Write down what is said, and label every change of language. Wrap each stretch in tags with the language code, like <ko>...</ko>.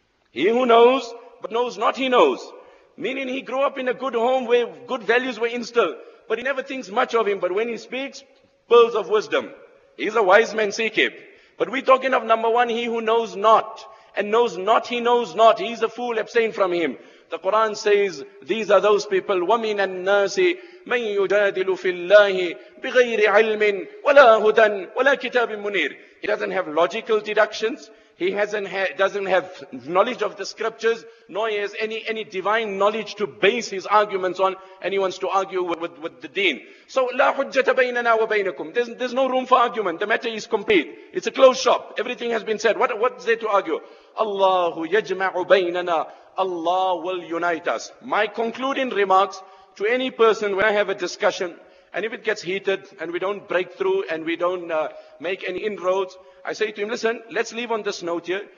<en>He who knows but knows not, he knows. Meaning he grew up in a good home where good values were instilled. But he never thinks much of him. But when he speaks, pearls of wisdom. He's a wise man, seek him. But we're talking of number one, he who knows not. And knows not, he knows not. He's a fool, abstain from him. The Quran says, these are those people,</en> <ar>وَمِنَ النَّاسِ مَنْ يُجَادِلُ فِي اللَّهِ بِغَيْرِ عِلْمٍ وَلَا هُدًى وَلَا كِتَابٍ مُنِيرٍ</ar> <en>He doesn't have logical deductions. He doesn't have knowledge of the scriptures, nor he has any divine knowledge to base his arguments on, and he wants to argue with the deen.</en> <ar>So, لا حجة بيننا وبينكم.</ar> <en>There's no room for argument. The matter is complete. It's a closed shop. Everything has been said. What's there to argue?</en> <ar>الله يجمع بيننا.</ar> <en>Allah will unite us. My concluding remarks to any person when I have a discussion, and if it gets heated and we don't break through and we don't make any inroads, I say to him, listen, let's leave on this note here.</en>